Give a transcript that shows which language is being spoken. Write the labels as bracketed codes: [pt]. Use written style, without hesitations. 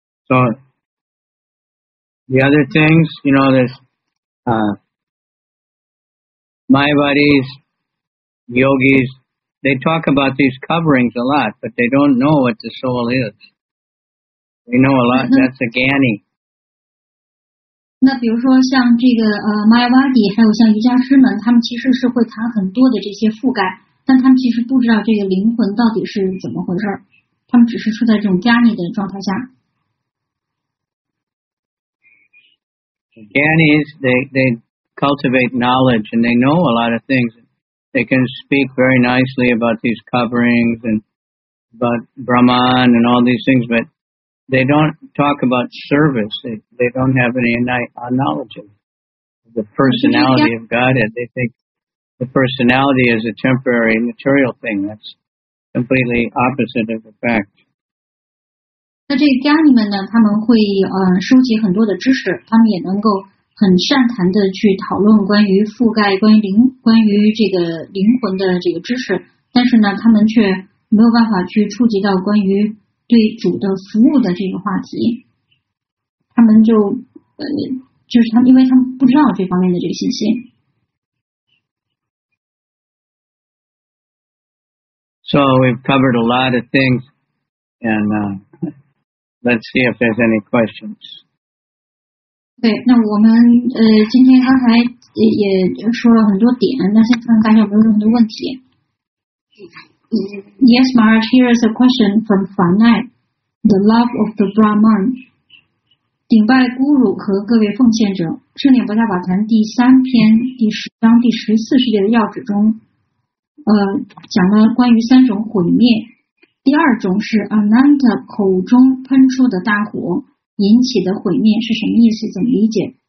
[en] So the other things, you know, there's Mayavadis, yogis, they talk about these coverings a lot, but they don't know what the soul is. They know a lot, that's a gani. [zh] 那比如说像这个Mayavadi, 还有像瑜伽师们，他们其实是会谈很多的这些覆盖，但他们其实不知道这个灵魂到底是怎么回事，他们只是处在这种gani的状态下。 [en] Gyanis, they cultivate knowledge and they know a lot of things. They can speak very nicely about these coverings and about Brahman and all these things, but they don't talk about service. They don't have any knowledge of the personality of Godhead. They think the personality is a temporary material thing. That's completely opposite of the fact. [zh] 那这个 Gyani 们呢，他们会收集很多的知识，他们也能够很善谈的去讨论关于覆盖、关于这个灵魂的这个知识，但是呢，他们却没有办法去触及到关于对主的服务的这个话题。他们就是他们，因为他们不知道这方面的这个信息。 [en] So we've covered a lot of things, and. Let's see if there's any questions. [zh] 对，那我们今天刚才也说了很多点，那先看大家有没有很多问题。 [en] Yes, Maharaj, here is a question from Fanai, the love of the Brahman. [zh] 顶拜 Guru 和各位奉献者，圣典菩萨法坛第三篇第十章第十四世界的要旨中，讲了关于三种毁灭。第二种是 Ananta 口中喷出的大火引起的毁灭是什么意思？怎么理解？